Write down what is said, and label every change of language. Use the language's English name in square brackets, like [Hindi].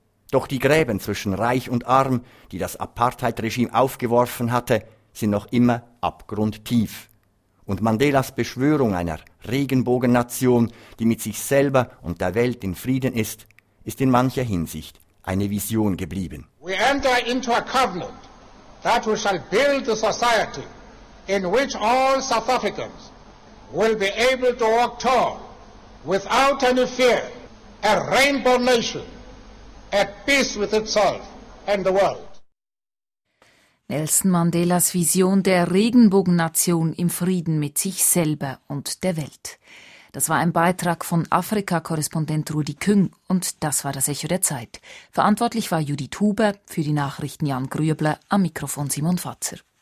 [German] Doch die Gräben zwischen Reich und Arm, die das Apartheid-Regime aufgeworfen hatte, sind noch immer abgrundtief. Und Mandelas Beschwörung einer Regenbogennation, die mit sich selber und der Welt in Frieden ist, ist in mancher Hinsicht eine Vision geblieben. [English] We enter into a covenant that we shall build a society in which all South Africans will be able to walk tall without any fear, a rainbow nation at peace with itself and the world. [German] Nelson Mandelas Vision der Regenbogennation im Frieden mit sich selber und der Welt. Das war ein Beitrag von Afrika-Korrespondent Rudi Küng und das war das Echo der Zeit. Verantwortlich war Judith Huber, für die Nachrichten Jan Grüebler, am Mikrofon Simon Fatzer.